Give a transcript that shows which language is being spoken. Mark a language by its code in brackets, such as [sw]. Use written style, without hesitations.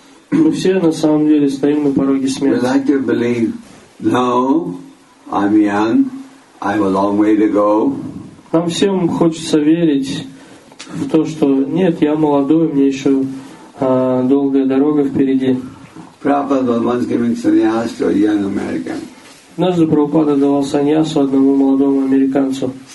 [ru] Мы все на самом деле стоим на пороге смерти. [en] We like to believe, no, I'm young, I have a long way to go. [ru] Нам всем хочется верить в то, что нет, я молодой, мне еще долгая дорога впереди. [en] Prabhupada was giving sannyas to a young American. [ru] Однажды Прабхупада давал саньясу одному молодому американцу.